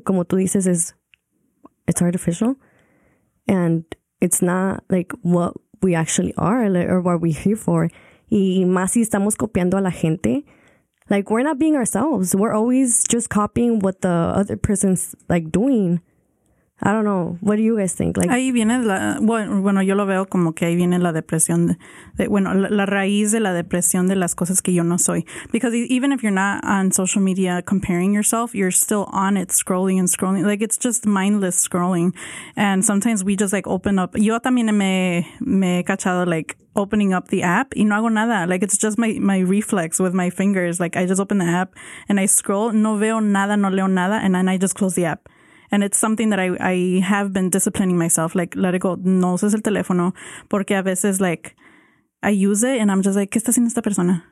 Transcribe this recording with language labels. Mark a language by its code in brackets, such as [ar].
[es] Como tú dices, [en] it's artificial, and it's not like what we actually are, like, or what we're here for. [es] Y más si estamos copiando a la gente, like, [en] we're not being ourselves. We're always just copying what the other person's, like, doing. I don't know. What do you guys think? Like, [es] ahí viene la... Bueno, yo lo veo como que ahí viene la depresión. La raíz de la depresión de las cosas que yo no soy. [en] Because even if you're not on social media comparing yourself, you're still on it scrolling and scrolling. Like, it's just mindless scrolling. And sometimes we just, like, open up... [es] Yo también me he cachado, like, [en] opening up the app [es] y no hago nada. [en] Like, it's just my reflex with my fingers. Like, I just open the app and I scroll. [es] No veo nada, no leo nada. [en] And then I just close the app. And it's something that I have been disciplining myself. Like, let it go. [es] No uses el teléfono. Porque a veces, [en] like, I use it and I'm just like, [es] ¿qué está haciendo esta persona?